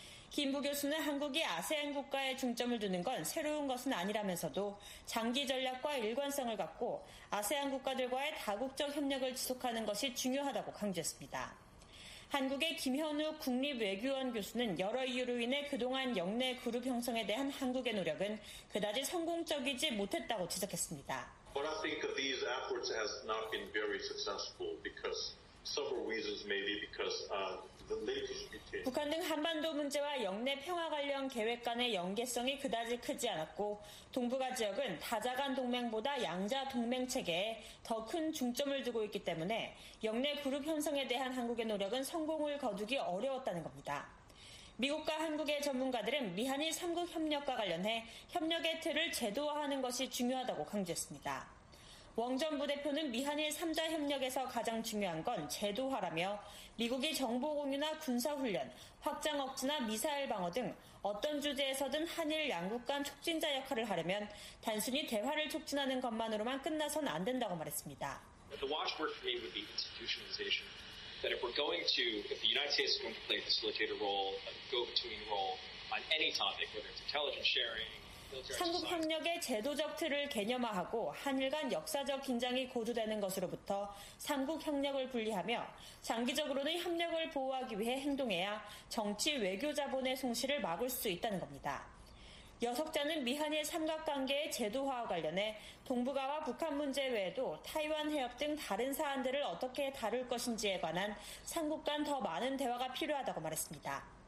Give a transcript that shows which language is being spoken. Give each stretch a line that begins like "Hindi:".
Korean: 김부 교수는 한국이 아세안 국가에 중점을 두는 건 새로운 것은 아니라면서도 장기 전략과 일관성을 갖고 아세안 국가들과의 다국적 협력을 지속하는 것이 중요하다고 강조했습니다. 한국의 김현우 국립외교원 교수는 여러 이유로 인해 그동안 역내 그룹 형성에 대한 한국의 노력은 그다지 성공적이지 못했다고 지적했습니다.
English: But I think these efforts have not been very successful because several reasons maybe because
Korean: 북한 등 한반도 문제와 역내 평화 관련 계획 간의 연계성이 그다지 크지 않았고 동북아 지역은 다자간 동맹보다 양자 동맹 체계에 더 큰 중점을 두고 있기 때문에 역내 그룹 형성에 대한 한국의 노력은 성공을 거두기 어려웠다는 겁니다. 미국과 한국의 전문가들은 미한일 3국 협력과 관련해 협력의 틀을 제도화하는 것이 중요하다고 강조했습니다. 왕 전 부대표는 미한일 3자 협력에서 가장 중요한 건 제도화라며 미국이 정보 공유나 군사훈련, 확장 억지나 미사일 방어 등 어떤 주제에서든 한일 양국 간 촉진자 역할을 하려면 단순히 대화를 촉진하는 것만으로만 끝나선 안 된다고 말했습니다.
English: The watchword for me would be institutionalization. That if we're going to, if the United States is going to play a facilitator role, a go-between role on any topic, whether it's intelligence sharing,
Korean: 삼국 협력의 제도적 틀을 개념화하고 한일 간 역사적 긴장이 고조되는 것으로부터 삼국 협력을 분리하며 장기적으로는 협력을 보호하기 위해 행동해야 정치 외교 자본의 송실을 막을 수 있다는 겁니다. 여석자는 미한일 삼각관계의 제도화와 관련해 동북아와 북한 문제 외에도 타이완 해협 등 다른 사안들을 어떻게 다룰 것인지에 관한 삼국 간 더 많은 대화가 필요하다고 말했습니다.